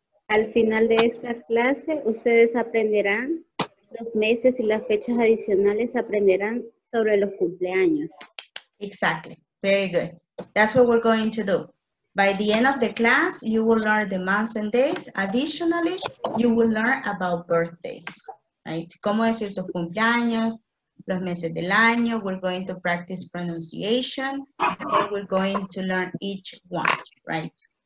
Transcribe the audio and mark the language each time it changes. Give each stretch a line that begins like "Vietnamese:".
Spanish: Al final de esta clase, ustedes aprenderán los meses y las fechas adicionales, aprenderán sobre los cumpleaños.
English: Exactly. Very good. That's what we're going to do. By the end of the class, you will learn the months and dates. Additionally, you will learn about birthdays. Right.
Spanish: ¿Cómo decir sus cumpleaños, los meses del año?
English: We're going to practice pronunciation and we're going to learn each one, right?